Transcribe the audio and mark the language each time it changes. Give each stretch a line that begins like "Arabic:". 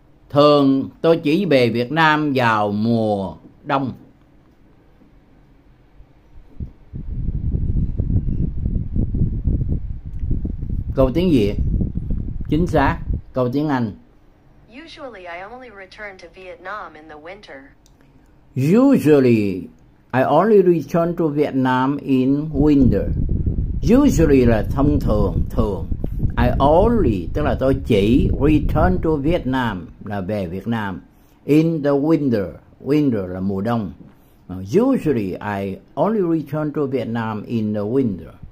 Vietnamese: Thường tôi chỉ về Việt Nam vào mùa đông. Câu tiếng Việt chính xác, câu tiếng Anh.
English: Usually I only return to Vietnam in the winter. Usually I only return to Vietnam in winter.
Vietnamese: Usually là thông thường, thường. I only tức là tôi chỉ
English: return to Vietnam
Vietnamese: là về Việt Nam
English: in the winter.
Vietnamese: Winter là mùa đông.
English: Usually I only return to Vietnam in the winter.